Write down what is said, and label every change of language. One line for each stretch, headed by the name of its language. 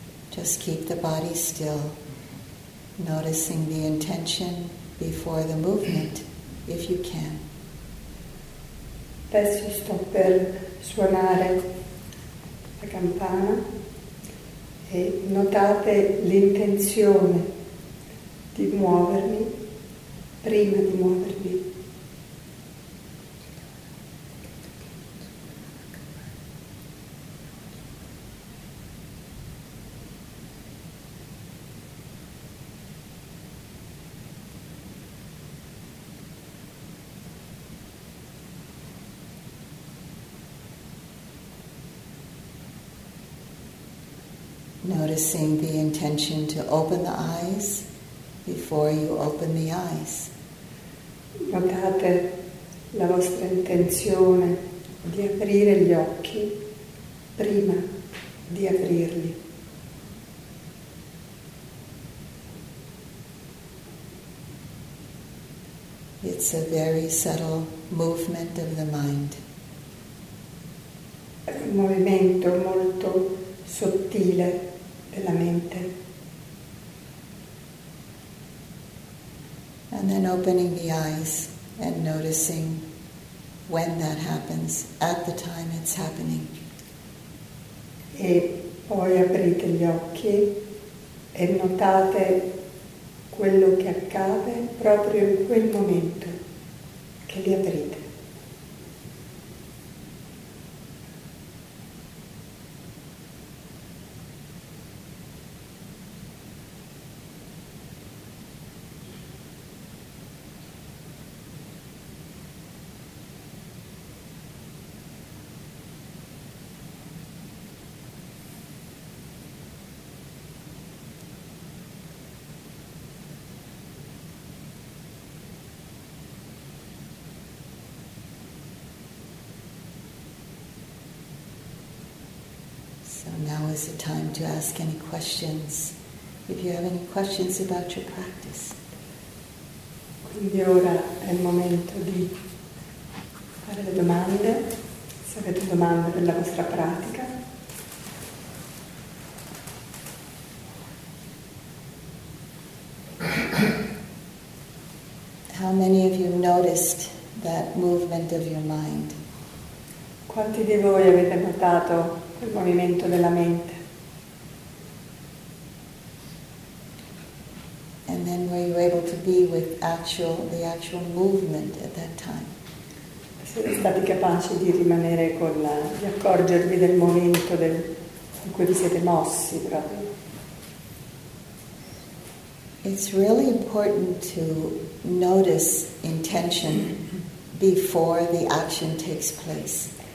English: Just keep the body still, noticing the intention before the movement, if you can.
Italian: Adesso sto per suonare la campana e notate l'intenzione di muovermi prima di muovermi.
English: Noticing the intention to open the eyes before you open the eyes.
Italian: Notate la vostra intenzione di aprire gli occhi prima di aprirli.
English: It's a very subtle movement of the mind.
Italian: È un movimento molto sottile della mente.
English: And then opening the eyes and noticing when that happens, at the time it's happening.
Italian: E poi aprite gli occhi e notate quello che accade proprio in quel momento che li aprite.
English: Now is the time to ask any questions. If you have any questions about your practice.
Italian: Quindi ora è il momento di fare le domande. Se avete domande della vostra pratica.
English: How many of you noticed that movement of your mind?
Italian: Quanti di voi avete notato il movimento della mente?
English: And then were you able to be with the actual movement at that time?
Italian: Siete stati capaci di rimanere di accorgervi del momento in cui vi siete mossi proprio?
English: It's really important to notice intention before the action takes place.